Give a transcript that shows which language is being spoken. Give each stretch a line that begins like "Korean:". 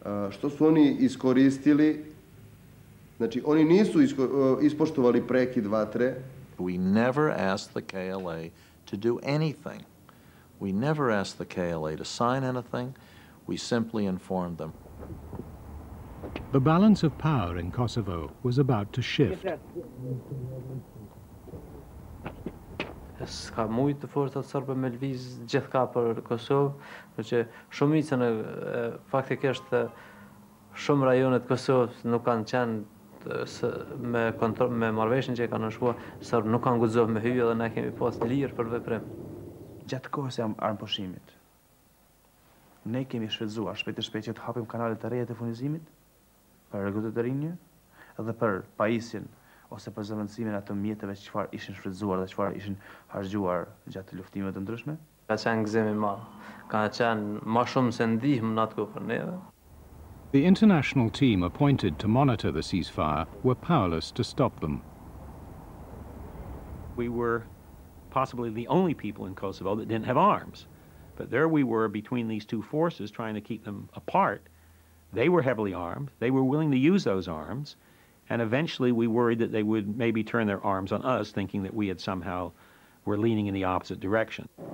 Serbian: Što su oni iskoristili? Znači, oni nisu ispoštovali prekid vatre.
English: We never asked the KLA to do anything. We never asked the KLA to sign anything. We simply informed them. The balance of power in Kosovo was about to shift.
Albanian: S'ka shumë forca serbe me lviz gjithka për Kosovë, por që shumicën faktikisht shumë rajonet Kosovës nuk kanë qenë me kontroll me marrveshjen që kanë shkuar, serb nuk kanë guxuar me hyjë dhe ne kemi pas lirë për veprim. Gjatë kohës jam armpushimit. Ne kemi shfrytzuar shpejt e shpejt që të hapim kanale të reja të furnizimit. Për rregullat e rinjë dhe për pajisjen ose për zëvendësimin ato mjeteve që çfarë ishin shfrytzuar dhe çfarë ishin harxhuar gjatë luftimeve të ndryshme. Ka qenë gëzim i madh. Ka qenë më shumë se ndihmë në atë kohë për neve.
English: The international team appointed to monitor the ceasefire were powerless to stop them. We were possibly the only people in Kosovo that didn't have arms. But there we were between these two forces trying to keep them apart. They were heavily armed, they were willing to use those arms, and eventually we worried that they would maybe turn their arms on us, thinking that we had somehow were leaning in the opposite direction.